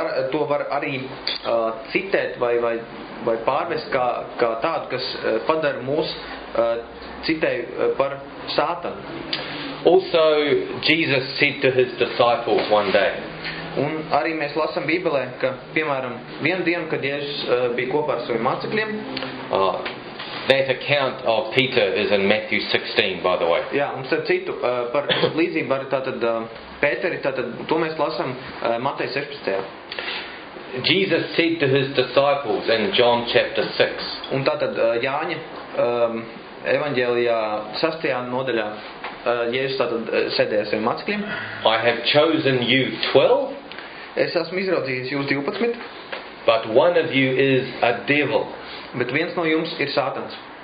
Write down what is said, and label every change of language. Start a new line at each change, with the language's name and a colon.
Latvian: To var arī citēt vai pārvest kā tādu, kas padara mūs citēju par Sātanu.
English: Also Jesus said to his disciples one day.
Latvian: Un arī mēs lasam Bībelē, ka piemēram, vienu dienu, kad Jēzus bija kopā ar saviem mācekļiem,
English: That account of Peter is in Matthew 16, by the way.
Latvian: Jā, un starp citu, par līdzību arī tātad Pēteri, tātad to mēs lasam Mateja 16.
English: Jesus said to his disciples in John chapter 6.
Latvian: Un tātad Jāņa evaņģēlijā 6. Nodaļā Jēzus tātad sēdēja saviem mācekļiem.
English: I have chosen you 12.
Latvian: Es esmu izraudzījis jūs 12.
English: But one of you is a devil.
Latvian: Bet viens no jums ir Sātans.